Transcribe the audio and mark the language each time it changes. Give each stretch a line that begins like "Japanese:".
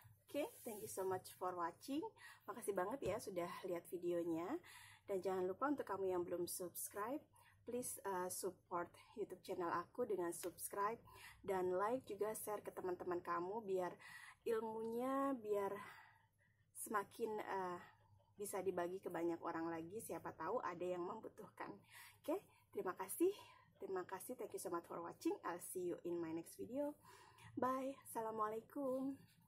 English: Oke, thank you so much for watching.
Indonesian: Makasih banget ya sudah lihat videonya. Dan jangan lupa untuk kamu yang belum subscribe,
English: please support
Indonesian: YouTube channel aku dengan subscribe dan like, juga share ke teman-teman kamu biar ilmunya biar semakin bisa dibagi ke banyak orang lagi, siapa tahu ada yang membutuhkan. Oke, terima kasih,
English: thank you so much for watching. I'll see you in my next video. Bye, assalamualaikum.